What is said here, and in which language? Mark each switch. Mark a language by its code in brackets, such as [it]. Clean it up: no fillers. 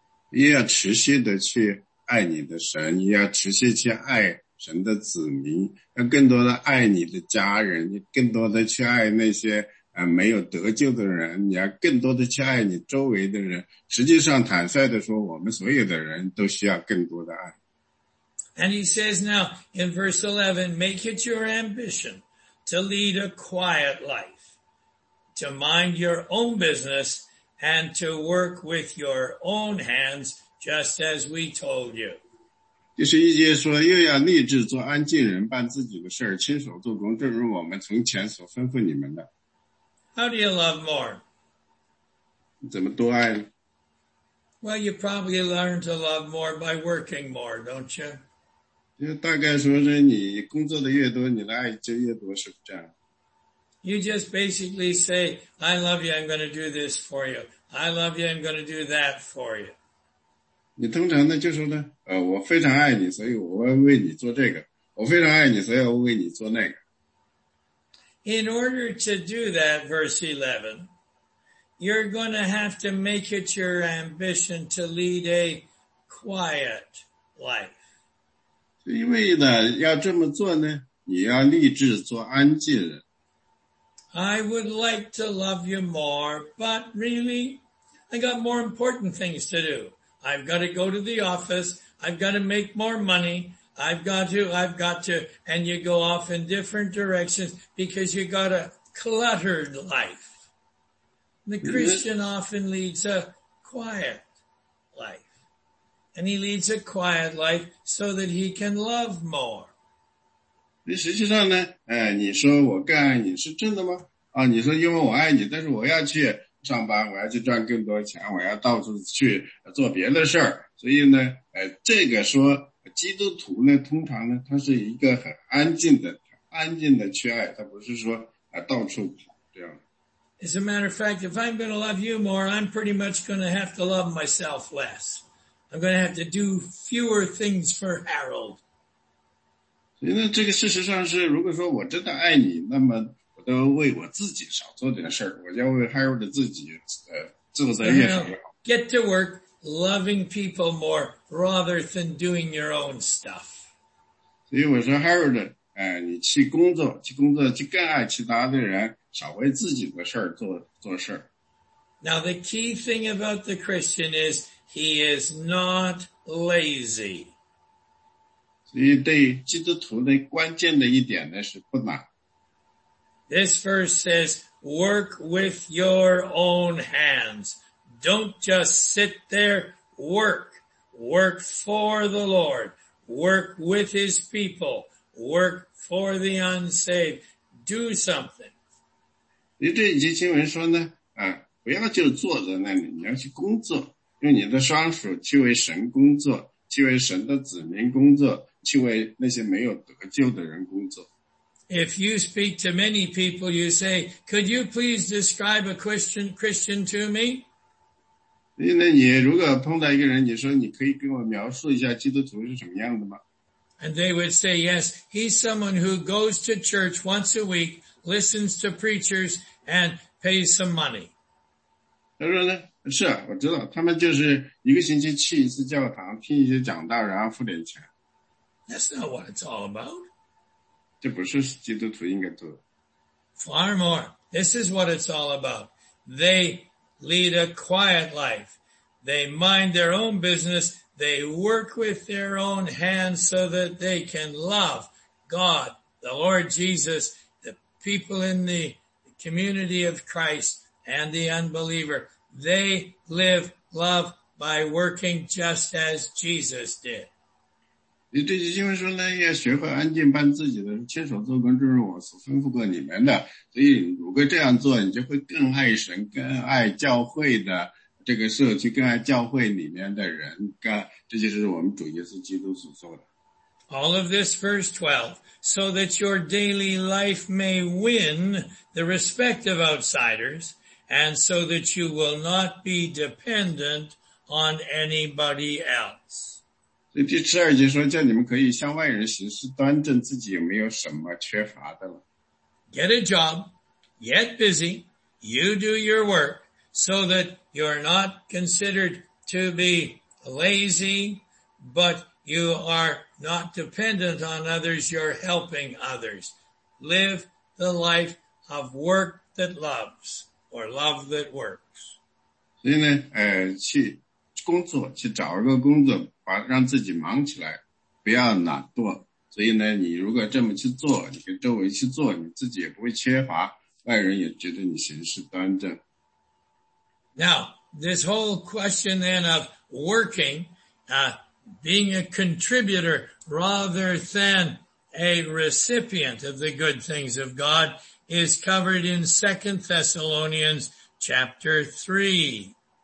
[zh] 你要持续的去爱你的神，你要持续去爱神的子民，要更多的爱你的家人，你更多的去爱那些没有得救的人，你要更多的去爱你周围的人。实际上坦率的说，我们所有的人都需要更多的爱。 [en] And he says now in verse 11, make it your ambition to lead a quiet life, to mind your own business and to work with your own hands just as we told you. [zh] 第十一节说又要立志做安静人办自己的事儿亲手做工正如我们从前所吩咐你们的。 [en] How do you love more? [zh] 怎么多爱呢? [en] Well, you probably learn to love more by working more, don't you? [zh] 就大概说是你工作的越多你的爱就越多是不这样。 [en] You just basically say, I love you, I'm going to do this for you. I love you, I'm going to do that for you. [zh] 你通常呢就说呢我非常爱你所以我会为你做这个。我非常爱你所以我为你做那个。 [en] In order to do that, verse 11, you're going to have to make it your ambition to lead a quiet life. [zh] 因为呢要这么做呢你要立志做安静人。 [en] I would like to love you more, but really, I got more important things to do. I've got to go to the office. I've got to make more money. I've got to, and you go off in different directions because you got a cluttered life. The Christian often leads a quiet life. And he leads a quiet life so that he can love more. [zh] 实际上呢你说我更爱你是真的吗你说因为我爱你但是我要去上班我要去赚更多钱我要到处去做别的事儿。所以呢这个说基督徒呢通常呢他是一个很安静的安静的去爱他不是说到处跑这样。 [en] As a matter of fact, if I'm going to love you more, I'm pretty much going to have to love myself less. I'm going to have to do fewer things for Harold. [zh] 所以呢这个事实上是如果说我真的爱你那么我都为我自己少做点事儿我就要为 Harold 自己做得越好。 [en] Get to work loving people more rather than doing your own stuff. [zh] 所以我说 Harold, 你去工作去更爱其他的人少为自己的事儿做事儿。 [en] Now the key thing about the Christian is he is not lazy. [zh] 所以对基督徒的关键的一点呢是不懒。 [en] This verse says, work with your own hands. Don't just sit there, work. Work for the Lord. Work with his people. Work for the unsaved. Do something. [zh] 你这一节经文说呢不要就坐在那里你要去工作用你的双手去为神工作去为神的子民工作去为那些没有得救的人工作。 [en] If you speak to many people, you say, could you please describe a Christian to me? [zh] 那你如果碰到一个人你说你可以跟我描述一下基督徒是什么样的吗 [en] And they would say, yes, he's someone who goes to church once a week, listens to preachers, and pays some money. [zh] 他说呢是啊我知道他们就是一个星期去一次教堂听一些讲道然后付点钱。 [en] That's not what it's all about. [zh] 这不是基督徒应该做的。 [en] Far more. This is what it's all about. They lead a quiet life. They mind their own business. They work with their own hands so that they can love God, the Lord Jesus, the people in the community of Christ and the unbeliever. They live love by working just as Jesus did. [zh] 你这些经文说呢要学会安静办自己的亲手做工正如我所吩咐过你们的。所以如果这样做你就会更爱神更爱教会的这个社区跟教会里面的人，这就是我们主耶稣基督所做的。 [en] All of this, verse 12, so that your daily life may win the respect of outsiders, and so that you will not be dependent on anybody else. [zh] 所以第十二节说，叫你们可以向外人行事，端正自己有没有什么缺乏的了。 [en] Get a job, get busy, you do your work, so that you're not considered to be lazy, but you are not dependent on others, you're helping others. Live the life of work that loves, or love that works. [zh] 所以呢，去工作，去找一个工作，把让自己忙起来，不要懒惰。所以呢，你如果这么去做，你跟周围去做，你自己也不会缺乏，外人也觉得你行事端正。 [en] Now, this whole question then of working, being a contributor rather than a recipient of the good things of God is covered in 2 Thessalonians chapter 3.